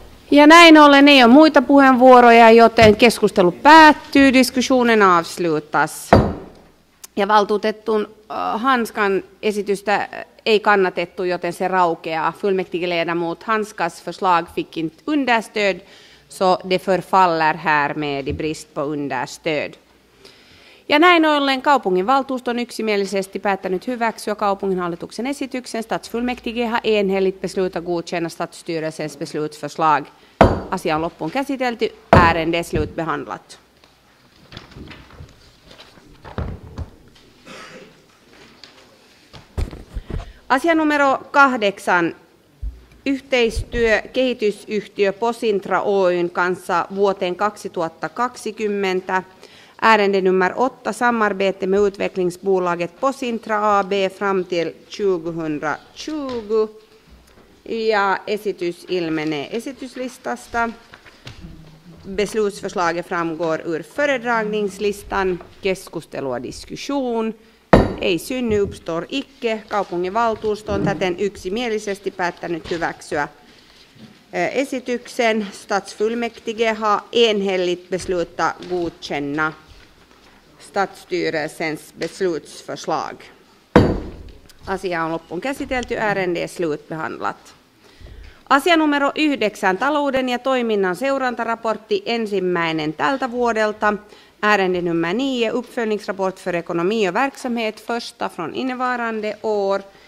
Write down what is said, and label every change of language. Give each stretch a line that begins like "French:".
Finnish: Ja näin ollen ei ole muita puheenvuoroja, joten keskustelu päättyy.
Swedish: Diskussionen avslutas.
Finnish: Ja valtuutettun Hanskan esitystä ei kannatettu, joten se raukeaa.
Swedish: Fullmäktigeledamot Hanskas förslag fick inte understöd, så det förfaller härmed i brist på understöd.
Finnish: Ja näin ollen kaupunginvaltuusto on yksimielisesti päättänyt hyväksyä kaupunginhallituksen esityksen.
Swedish: Statsfullmäktige har enhälligt beslutat godkänna statsstyrelsens beslutsförslag.
Finnish: Asia on loppuun käsitelty.
Swedish: Ärende slutbehandlat.
Finnish: Asia numero 8. Yhteistyö kehitysyhtiö Posintra Oy:n kanssa vuoteen 2020.
Swedish: Ärende nummer 8. Samarbete med utvecklingsbolaget Posintra AB fram till 2020.
Finnish: Ja esitys ilmenee esityslistasta.
Swedish: Beslutsförslaget framgår ur föredragningslistan.
Finnish: Keskustelu
Swedish: och diskussion.
Finnish: Ei synny,
Swedish: uppstår icke.
Finnish: Kaupunginvaltuusto on täten yksimielisesti päättänyt hyväksyä esityksen.
Swedish: Statsfullmäktige har enhälligt beslutat godkänna statsstyrelsens beslutsförslag.
Finnish: Asia on loppuun käsitelty,
Swedish: ärende är slutbehandlat.
Finnish: Asia numero 9, talouden ja toiminnan seurantaraportti ensimmäinen tältä vuodelta.
Swedish: Ärende nummer 9, uppföljningsrapport för ekonomi och verksamhet, första från innevarande år.